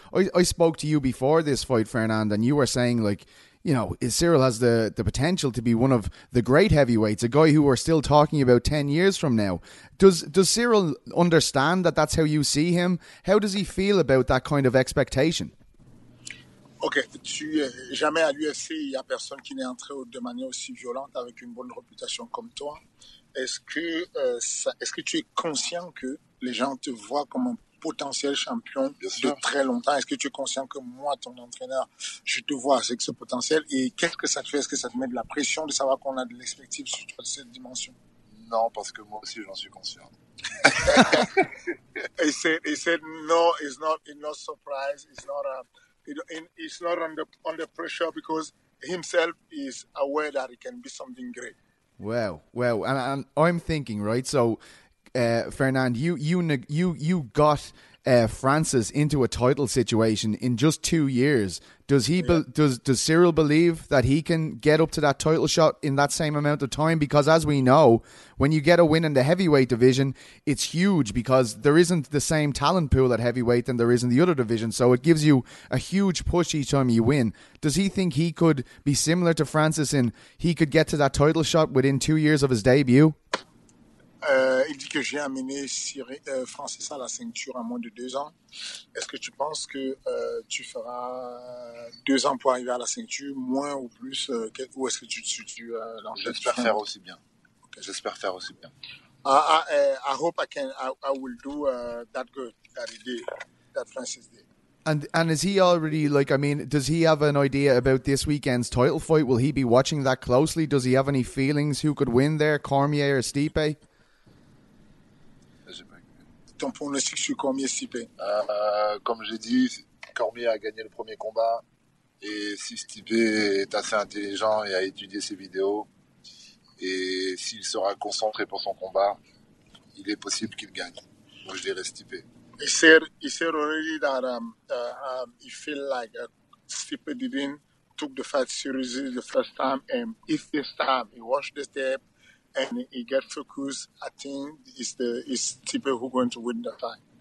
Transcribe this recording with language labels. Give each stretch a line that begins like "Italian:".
English: I spoke to you before this fight, Fernand, and you were saying, like, you know, Cyril has the potential to be one of the great heavyweights, a guy who we're still talking about 10 years from now. Does Cyril understand that that's how you see him? How does he feel about that kind of expectation?
French: Ok, tu, jamais à l'UFC, il n'y a personne qui n'est entré de manière aussi violente avec une bonne réputation comme toi. Est-ce que tu es conscient que les gens te voient comme un potentiel champion de très longtemps? Est-ce que tu es conscient que moi, ton entraîneur, je te vois avec ce potentiel? Et qu'est-ce que ça te fait? Est-ce que ça te met de la pression de savoir qu'on a de l'expectative sur toi de cette dimension? Non, parce que moi aussi, j'en suis conscient.
English: He said, no, it's not surprise, it's not a... He's not under pressure because himself is aware that he can be something great. Well, and I'm thinking, right? So, Fernand, you got Francis into a title situation in just 2 years. Does Cyril believe that he can get up to that title shot in that same amount of time? Because as we know, when you get a win in the heavyweight division, it's huge because there isn't the same talent pool at heavyweight than there is in the other division. So it gives you a huge push each time you win. Does he think he could be similar to Francis in he could get to that title shot within 2 years of his debut?
French: Il dit que j'ai amené Francis à la ceinture en moins de 2 ans. Est-ce que tu penses que tu feras 2 ans pour arriver à la ceinture, moins ou plus, ou est-ce que J'espère faire aussi bien. Okay. J'espère faire aussi bien.
English: I hope I will do that good, that he did, that Francis did. And is he already, like, I mean, does he have an idea about this weekend's title fight? Will he be watching that closely? Does he have any feelings who could win there, Cormier or Stipe?
French: Ton pronostic sur Cormier Stipe. Comme j'ai dit, Cormier a gagné le premier combat. Et si Stipe est assez intelligent et a étudié ses vidéos, et s'il sera concentré pour son combat, il est possible qu'il gagne. Donc je dirais Stipe.
English: He said already that he feel like Stipe didn't took the fight seriously the first time, and if this time he watched the step. And he gets focused, I think, is Stipe who's going to win the fight.